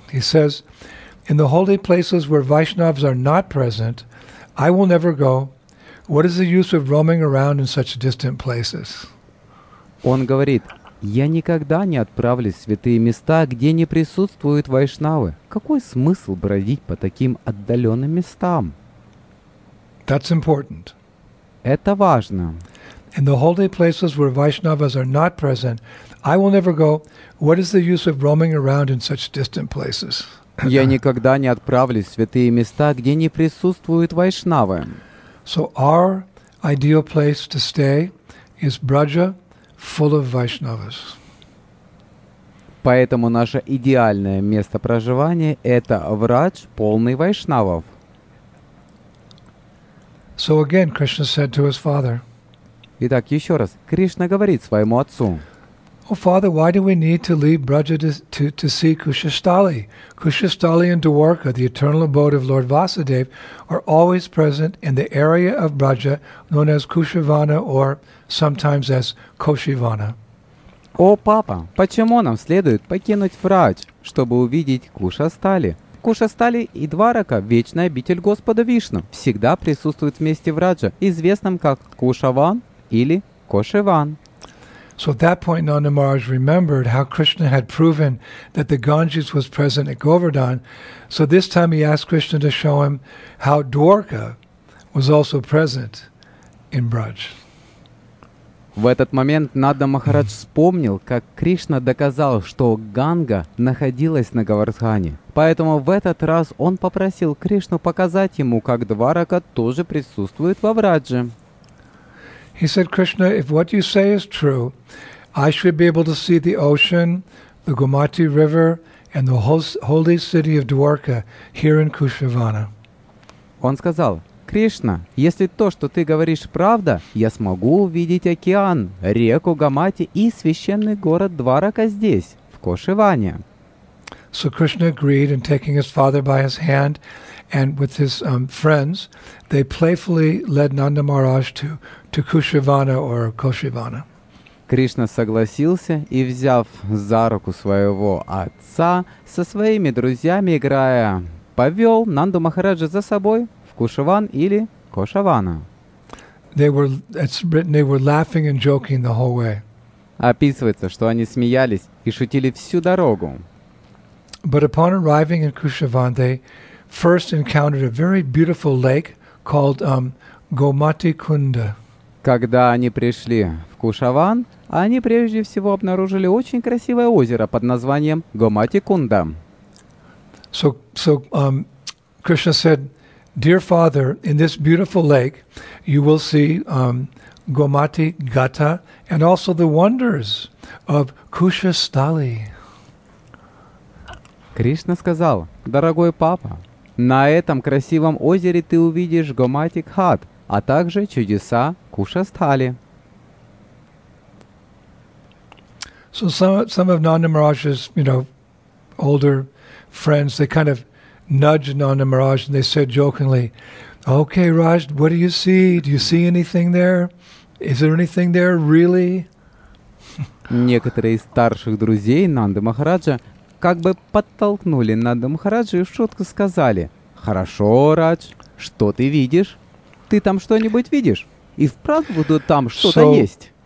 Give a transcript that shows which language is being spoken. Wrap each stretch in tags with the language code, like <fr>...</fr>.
<en>He says, in the holy places where Vaishnavas are not present, I will never go. What is the use of roaming around in such distant places?</en> <ru>Он говорит, я никогда не отправлюсь в святые места, где не присутствуют вайшнавы. Какой смысл бродить по таким отдаленным местам?</ru> <en>That's important.</en> <ru>Это важно.</ru> <en>In the holy places where Vaishnavas are not present, I will never go. What is the use of roaming around in such distant places?</en> <ru>Я никогда не отправлюсь в святые места, где не присутствуют вайшнавы.</ru> <en>So our ideal place to stay is Braja, full of Vaishnavas.</en> <ru>Поэтому наше идеальное место проживания – это Врадж, полный вайшнавов.</ru> <en>So again, Krishna said to his father.</en> <ru>Итак, еще раз, Кришна говорит своему отцу.</ru> <en>Oh, father, why do we need to leave Braja to see Kushastali? Kushastali and Dwarka, the eternal abode of Lord Vasudeva, are always present in the area of Braja, known as Kushavana or sometimes as Koshivana.</en> <ru>О, папа, почему нам следует покинуть Врадж, чтобы увидеть Кушастали? Кушастали и Дварака, вечная обитель Господа Вишну, всегда присутствуют вместе в Врадже, известном как Кушаван или Кошиван.</ru> <en>So at that point, Nanda Maharaj remembered how Krishna had proven that the Ganges was present at Govardhan. So this time he asked Krishna to show him how Dwarka was also present in Braj.</en> <ru>В этот момент Нанда Махарадж вспомнил, как Кришна доказал, что Ганга находилась на Говардхане. Поэтому в этот раз он попросил Кришну показать ему, как Дварака тоже присутствует во Врадже.</ru> <en>He said, Krishna, if what you say is true, I should be able to see the ocean, the Gomati River, and the holy city of Dwarka here in Kushavana.</en> <ru>Он сказал, Кришна, если то, что ты говоришь, правда, я смогу увидеть океан, реку Гамати и священный город Дварака здесь, в Кошиване.</ru> <en>So Krishna agreed, and taking his father by his hand, and with his friends, they playfully led Nanda Maharaj to Kushavana or Koshivana.</en> <ru>Кришна согласился и, взяв за руку своего отца, со своими друзьями играя, повел Нанду Махараджа за собой в Кушаван или Кошавана.</ru> <en>It's written they were laughing and joking the whole way.</en> <ru>Описывается, что они смеялись и шутили всю дорогу.</ru> <en>But upon arriving in Kushavan, they first encountered a very beautiful lake called Gomati Kunda.</en> <ru>Когда они пришли в Кушаван, они прежде всего обнаружили очень красивое озеро под названием Gomati Kunda.</ru> <en>So Krishna said, "Dear father, in this beautiful lake, you will see Gomati Gata and also the wonders of Kushastali."</en> <ru>Кришна сказал, «Дорогой папа, на этом красивом озере ты увидишь Гомати Гхат, а также чудеса Кушастали».</ru> <en>So some of Nanda Maharaj's, you know, older friends, they kind of nudged Nanda Maharaj and they said jokingly, "Okay, Raj, what do you see? Do you see anything there? Is there anything there, really?"</en> <ru>Некоторые из старших друзей Нанды Махараджа как бы подтолкнули Нанда Махараджи и в шутку сказали: «Хорошо, Радж, что ты видишь? Ты там что-нибудь видишь? И вправду там что-то есть».</ru>